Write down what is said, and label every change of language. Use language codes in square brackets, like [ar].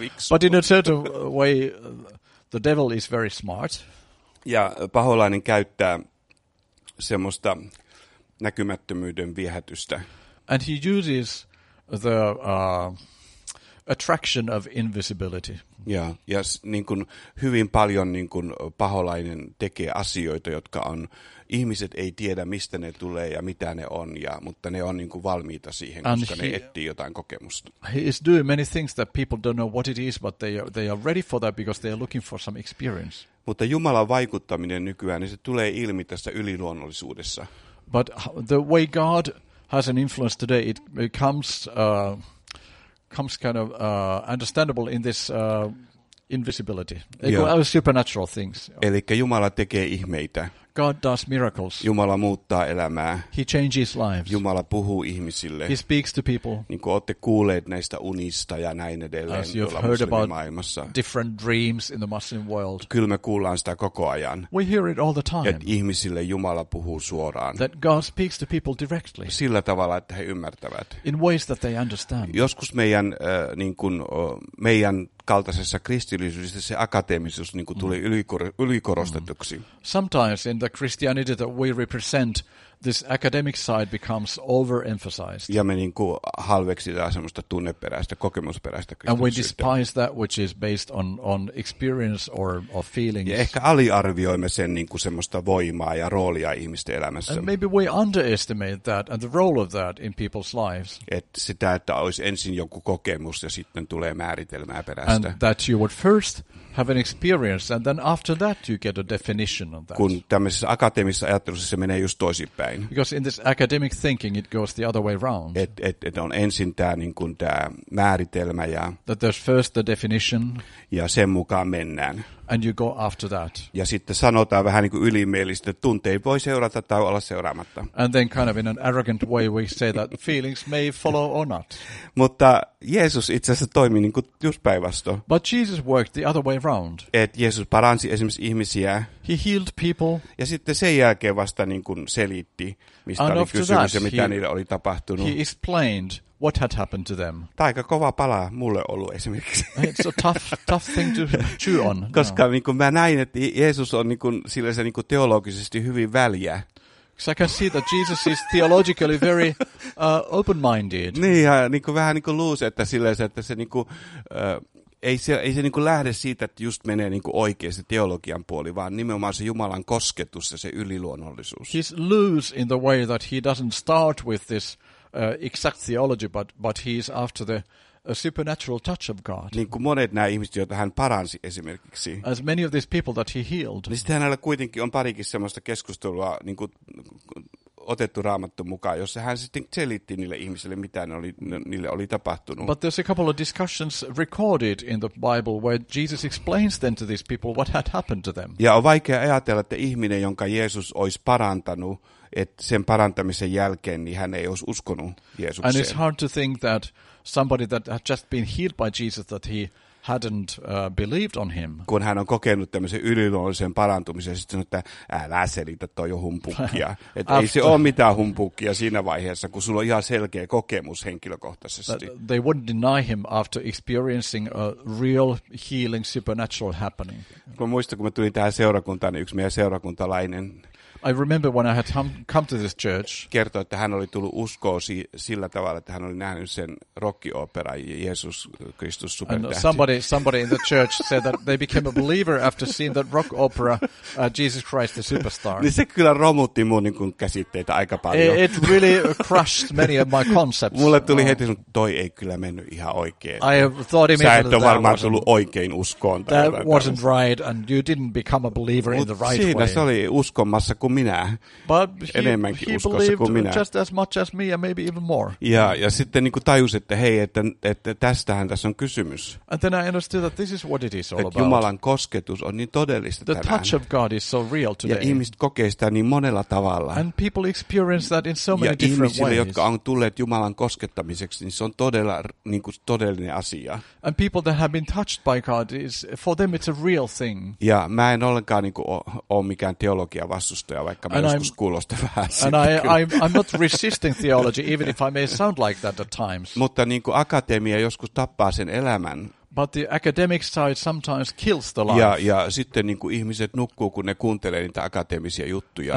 [en] But in a certain way the devil is very smart. [fi] Ja paholainen käyttää semmoista näkymättömyyden viehätystä. [en] And he uses the attraction of invisibility. [fi] Ja niin kuin hyvin paljon niin kuin paholainen tekee asioita, jotka on ihmiset ei tiedä mistä ne tulee ja mitä ne on ja mutta ne on niin kuin valmiita siihen, [en] and [fi] koska ne etsii jotain kokemusta. [en] He is doing many things that people don't know what it is, but they are ready for that because they are looking for some experience. [fi] Mutta Jumalan vaikuttaminen nykyään niin se tulee ilmi tässä yliluonnollisuudessa. [en] But the way God has an influence today, it becomes kind of understandable in this invisibility. Yeah. Supernatural things. [fi] Elikkä Jumala tekee ihmeitä. [en] God does miracles. [fi] Jumala muuttaa elämää. [en] He changes lives. [fi] Jumala puhuu ihmisille. [en] He speaks to people. [fi] Niin kuin olette kuulleet näistä unista ja näin edelleen. [en] As you've heard about different dreams in the Muslim world. [fi] Kyllä me kuullaan sitä koko ajan. [en] We hear it all the time. [fi] Että ihmisille Jumala puhuu suoraan. [en] That God speaks to people directly. [fi] Sillä tavalla, että he ymmärtävät. [en] In ways that they understand. [fi] Joskus meidän meidän kaltaisessa kristillisyydessä se akateemisuus niin kuin tuli ylikorostetuksi. [en] Sometimes in the Christianity that we represent, this academic side becomes overemphasized. [fi] Ja me niin kuin halveksitaan semmoista tunneperäistä, kokemusperäistä kristillisyyttä. [en] And we despise that which is based on experience or feelings. [fi] Ja ehkä aliarvioimme sen niin kuin semmoista voimaa ja roolia ihmisten elämässä. [en] And maybe we underestimate that and the role of that in people's lives. [fi] Että sitä, että olisi ensin joku kokemus ja sitten tulee määritelmää perästä. [en] And that you would first have an experience and then after that you get a definition of that. [fi] Kun tämmöisessä akateemisessa ajattelussa se menee just toisinpäin. [en] Because in this academic thinking it goes the other way round. [fi] Et on ensin tämä niin kuin tämä määritelmä ja [en] that there's first the definition [fi] ja sen mukaan mennään. [en] And you go after that. [fi] Ja sitten sanotaan vähän niin kuin ylimielistä, että tuntei voi seurata tai olla seuraamatta. [en] And then kind of in an arrogant way we say that feelings may follow or not. [fi] Mutta Jeesus itse asiassa toimi niin kuin just päinvastoin. [en] But Jesus worked the other way round. [fi] Et Jeesus paransi esimerkiksi ihmisiä. [en] He healed people. [fi] Ja sitten sen jälkeen vasta niin kuin selitti, mistä [en] and [fi] oli kysymys ja mitä [en] he, [fi] niille oli tapahtunut. [en] He explained what had happened to them. [fi] Tämä aika kova pala mulle ollut esimerkiksi. [en] It's a tough thing to chew on. [fi] Koska niin kuin mä näin, että Jeesus on niin kuin, sillänsä niin kuin teologisesti hyvin väljä. [en] Because I can see that Jesus is theologically very open-minded. [fi] Niin, ja niin kuin, vähän niin kuin luus, että sillänsä, että se niin kuin Ei se niin kuin lähde siitä, että just menee niin kuin oikein se teologian puoli, vaan nimenomaan se Jumalan kosketus ja se yliluonnollisuus. [en] He's loose in the way that he doesn't start with this exact theology, but he's after the supernatural touch of God. [fi] Niin kuin monet nämä ihmiset, joita hän paransi esimerkiksi. [en] As many of these people that he healed. [fi] Niin sitten hänellä kuitenkin on parikin semmoista keskustelua niin kuin otettu Raamattu mukaan, jossa hän sitten selitti niille ihmisille, mitä niille oli tapahtunut. [en] But there's a couple of discussions recorded in the Bible where Jesus explains then to these people what had happened to them. [fi] Ja on vaikea ajatella, että ihminen, jonka Jeesus olisi parantanut, että sen parantamisen jälkeen niin hän ei olisi uskonut Jeesukseen. [en] And it's hard to think that somebody that had just been healed by Jesus, that he hadn't believed on him. [fi] Kun hän on kokenut tämmöisen yliluonnollisen parantumisen, sitten sanoo, että älä selitä, toi on humpukkia. Että ei se ole mitään humpukkia siinä vaiheessa, kun sulla on ihan selkeä kokemus henkilökohtaisesti. [en] That they wouldn't deny him after experiencing a real healing supernatural happening. [fi] Mä muistan, kun mä tulin tähän seurakuntaan, niin yksi meidän seurakuntalainen [en] I remember when I had come to this church. [fi] Kertoi, että hän oli tullut uskoon sillä tavalla, että hän oli nähnyt sen rockioopera Jeesus Kristus supertähti. [en] And somebody in the church said that they became a believer after seeing that rock opera Jesus Christ the Superstar. [fi] Niin se kyllä romutti mun niin kuin käsitteitä aika paljon. [en] It really crushed many of my concepts. [fi] Mulle tuli heti, että toi ei kyllä mennyt ihan oikein. [en] I thought immediately [fi] sä et ole varmaan tullut oikein uskoon. [en] That wasn't right and you didn't become a believer in the right way. [fi] Siinä se oli uskomassa kuin minä, [en] but [fi] enemmänkin [en] he [fi] uskossa kuin minä. [en] Just as much as me and maybe even more. [fi] Ja sitten niin kuin tajus, että hei, että tästähän tässä on kysymys. [en] And then I understood that this is what it is all about. [fi] Että Jumalan kosketus on niin todellista tänään. [en] The touch of God is so real today. [fi] Ja ihmiset kokee sitä niin monella tavalla. [en] And people experience that in so many [fi] ja [en] different ways. [fi] Ja ihmisille, jotka on tulleet Jumalan koskettamiseksi, niin se on todella niin kuin todellinen asia. [en] And people that have been touched by God, is for them it's a real thing. [fi] Ja mä en ollenkaan niin kuin ole mikään teologia vastustaja. [en] And I'm not resisting theology, even if I may sound like that at times. [fi] Mutta niin kuin akatemia joskus tappaa sen elämän. [en] But the academic side sometimes kills the life. [fi] Ja sitten niin kuin ihmiset nukkuu, kun ne kuuntelee niitä akateemisia juttuja.